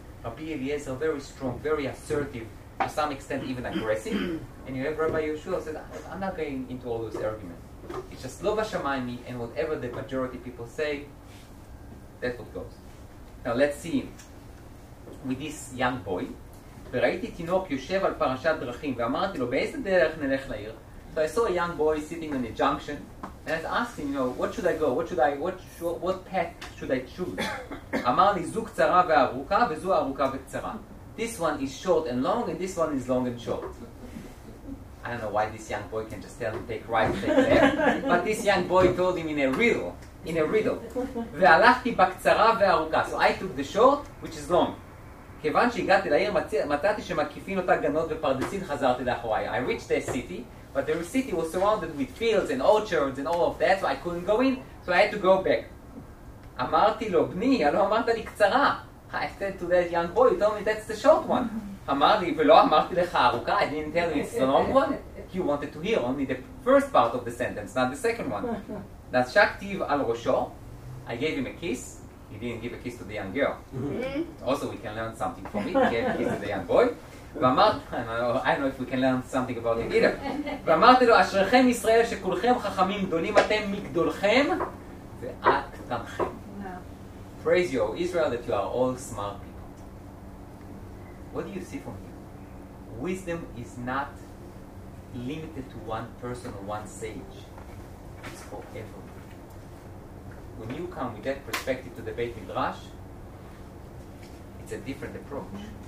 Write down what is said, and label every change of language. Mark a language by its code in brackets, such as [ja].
[en] Rabbi Eliezer, very strong, very assertive, to some extent even aggressive. And you have Rabbi Yehoshua, said, I'm not going into all those arguments. It's just lo v'shamayim, and whatever the majority people say, that's what goes. Now let's see with this young boy. [he] וראיתי תינוק יושב על פרשת דרכים ואמרתי לו באיזה דרך נלך לעיר. [en] So I saw a young boy sitting in a junction and I asked him, you know, what should I go? What path should I choose? [he] אמר לי זו קצרה וארוכה וזו ארוכה וקצרה. [en] This one is short and long and this one is long and short. I don't know why this young boy can just tell him take right, take left. But this young boy told him in a riddle. [he] והלכתי בקצרה וארוכה. [en] So I took the short, which is long. [he] כיוון שהגעתי לעיר, מצאתי שמקיפין אותה גנות ופרדסים, חזרתי לאחוריי. [en] I reached the city, but the city was surrounded with fields and orchards and all of that, so I couldn't go in, so I had to go back. [he] אמרתי לו, בני, לא אמרת לי קצרה. [en] I said to that young boy, you told me that's the short one. [he] אמרתי, ולא אמרתי לך ארוכה, [en] I didn't tell you it's the long one. You wanted to hear only the first part of the sentence, not the second one. [he] נשקתי על ראשו, [en] I gave him a kiss. He didn't give a kiss to the young girl. Mm-hmm. Also, we can learn something from it. He gave a kiss to the young boy. I don't know if we can learn something about him either. ואמרתי לו, אשריכם ישראל שכולכם חכמים גדולים אתם מגדולכם ועד קטנכם. Praise you, O Israel, that you are all smart people. What do you see from here? Wisdom is not limited to one person or one sage. It's for everyone. When you come with that perspective to the Beit Midrash, it's a different approach.